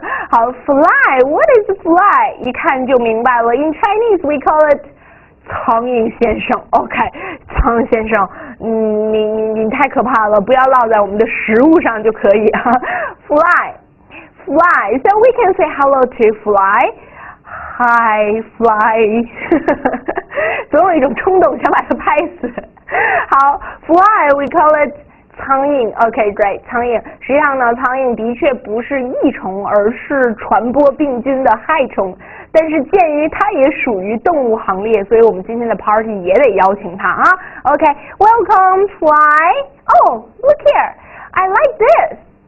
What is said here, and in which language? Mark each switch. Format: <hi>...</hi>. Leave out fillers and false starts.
<en>好 ，Fly，What is Fly？</en> <zh>一看就明白了</zh> <en>，In Chinese we call it 苍蝇先生 ，OK，</en> <zh>苍先生，你太可怕了，不要落在我们的食物上就可以啊</zh> <en>，Fly，Fly，So we can say hello to Fly。 Hi, fly，</en> <zh>总有一种冲动想把它拍死。</zh> <en>好 ，fly we call it 苍蝇。 OK, great， 苍蝇。</en> <zh>实际上呢，苍蝇的确不是益虫，而是传播病菌的害虫。但是鉴于它也属于动物行列，所以我们今天的 party 也得邀请它啊。</zh> <en>OK, welcome fly. Oh, look here, I like this.</en>